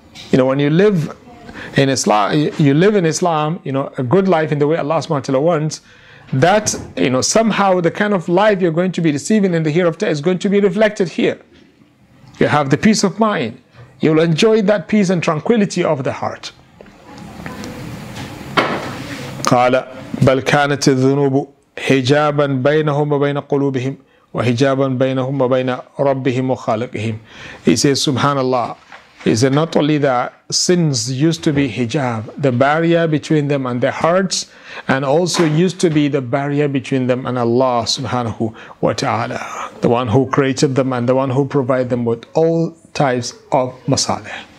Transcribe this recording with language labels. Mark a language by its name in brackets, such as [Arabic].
[English] You know, when you live in Islam, you know, a good life in the way Allah subhanahu wa ta'ala wants. That, you know, somehow the kind of life you're going to be receiving in the hereafter is going to be reflected here. You have the peace of mind. You'll enjoy that peace and tranquility of the heart. [Arabic] قال بل كانت الذنوب حجابا بينهم وبين قلوبهم وحجابا بينهم وبين ربهم وخالقهم. [English] He says, subhanAllah, is it not only that sins used to be hijab, the barrier between them and their hearts, and also used to be the barrier between them and Allah subhanahu wa ta'ala, the one who created them and the one who provided them with all types of masalih.